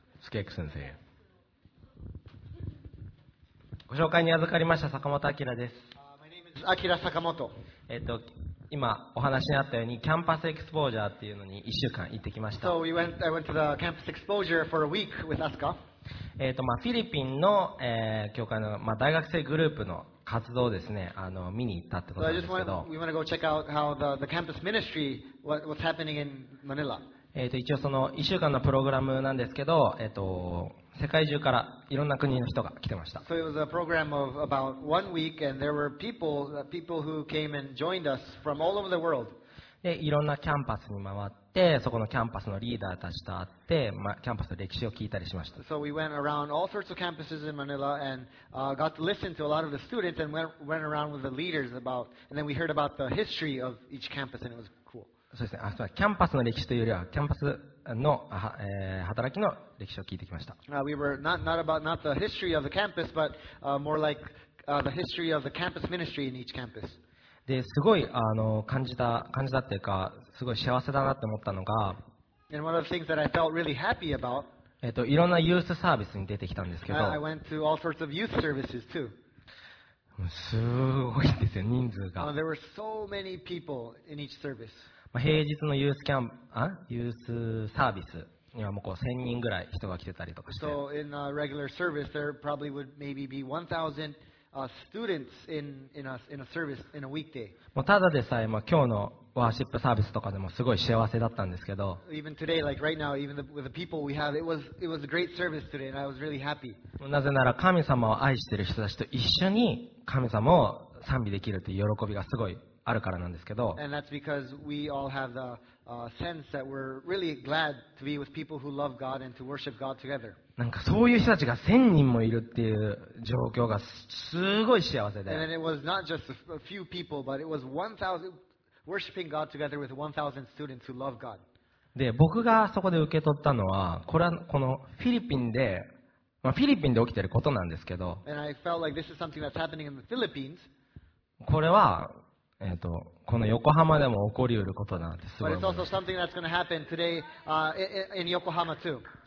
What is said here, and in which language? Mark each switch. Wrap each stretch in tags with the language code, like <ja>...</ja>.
<ja>ケーク先生、ご紹介に預かりました坂本明です。明坂本。今お話にあったようにキャンパスエクスポージャーっていうのに1週間行ってきました。</ja> <en>So I went to the campus exposure for a week with Asuka.</en> <ja>フィリピンの、教会の、大学生グループの活動をですね、見に行ったってことなんですけど。</ja> <en>So we want to go check out how the campus ministry what's happening in Manila.</en> <ja>一応その1週間のプログラムなんですけど、世界中からいろんな国の人が来てました。</ja> <en>So it was a program of about one week and there were people who came and joined us from all over the world.</en> <ja>で、いろんなキャンパスに回って、そこのキャンパスのリーダーたちと会って、キャンパスの歴史を聞いたりしました。</ja> <en>So we went around all sorts of campuses in Manila and got to listen to a lot of the students and went around with the leaders about, and then we heard about the history of each campus and it was great.</en> <ja>そうですね、キャンパスの歴史というよりはキャンパスの、働きの歴史を聞いてきました。</ja> <en>We were not the history of the campus, but more like the history of the campus ministry in each campus.</en> <ja>で、すごい感じたっていうか、すごい幸せだなって思ったのが、</ja> <en>And one of the things that I felt really happy about,</en> <ja>いろんなユースサービスに出てきたんですけど、</ja> <en>I went to all sorts of youth services too.</en> <ja>すごいですよ、人数が。</ja> <en>There were so many people in each service.</en> <ja>平日のユースサービスにはもう1000人ぐらい人が来てたりとかして。</ja> <en>So in a regular service, there probably would maybe be 1,000 students in a service in a weekday.</en> <ja>もうただでさえ、まあ、今日のワーシップサービスとかでもすごい幸せだったんですけど。</ja> <en>Even today, like right now, even with the people we have, it was a great service today, and I was really happy.</en> <ja>なぜなら神様を愛している人たちと一緒に神様を賛美できるという喜びがすごいあるからなんですけど。</ja> <en>And that's because we all have the sense that we're really glad to be with people who love God and to worship God together.</en> <ja>なんかそういう人たちが千人もいるっていう状況がすごい幸せで。</ja> <en>And then it was not just a few people, but it was 1,000. Worshiping God together with 1,000 students who love God.</en> <ja>で、僕がそこで受け取ったのは、これはこのフィリピンで、まあ、フィリピンで起きていることなんですけど、</ja> <en>And I felt like this is something that's happening in the Philippines.</en> <ja>これは、この横浜でも起こりうることなんてすごい。</ja> <en>But it's also something that's going to happen today, in Yokohama too.</en>